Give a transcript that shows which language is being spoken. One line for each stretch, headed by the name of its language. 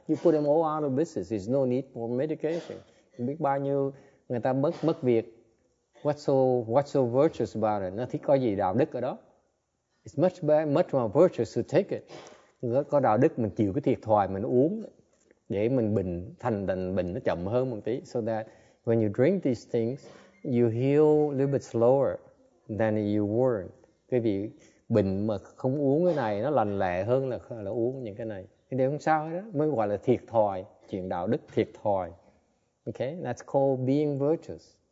English: You put them all out of business. There's no need for medication.
Vietnamese: Biết bao nhiêu người ta mất việc.
English: What's so virtuous about it?
Vietnamese: Nó thấy có gì đạo đức ở đó.
English: It's much better, much more virtuous to take it.
Vietnamese: Có đạo đức mình chịu cái thiệt thòi mình uống để mình bình thành bình nó chậm hơn một tí.
English: So that when you drink these things, you heal a little bit slower than you were.
Vietnamese: Cái vị bệnh mà không uống cái này nó lành lẹ hơn là uống những cái này. Thì không sao hết đó. Mới gọi là thiệt thòi. Chuyện đạo đức thiệt thòi. Okay?
English: That's called being virtuous.